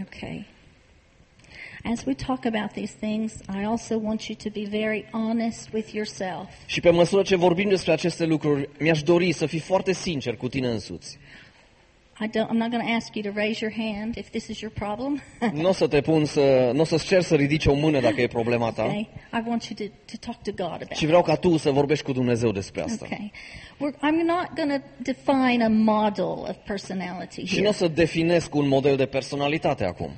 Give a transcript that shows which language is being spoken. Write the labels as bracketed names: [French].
[English] Okay. As we talk about these things, I also want you to be very honest with yourself. [Romanian] Și pe măsură ce vorbim despre aceste lucruri, mi-aș dori să fii foarte sincer cu tine însuți. [English] I'm not going to ask you to raise your hand if this is your problem. [Romanian] N-o să te pun să, n-o să-ți cer să ridici o mână dacă e problema ta. [English] Okay. I want you to talk to God about. [Romanian] Și vreau ca tu să vorbești cu Dumnezeu despre asta. [English] Okay. I'm not going to define a model of personality here. [Romanian] Și n-o să definesc un model de personalitate acum.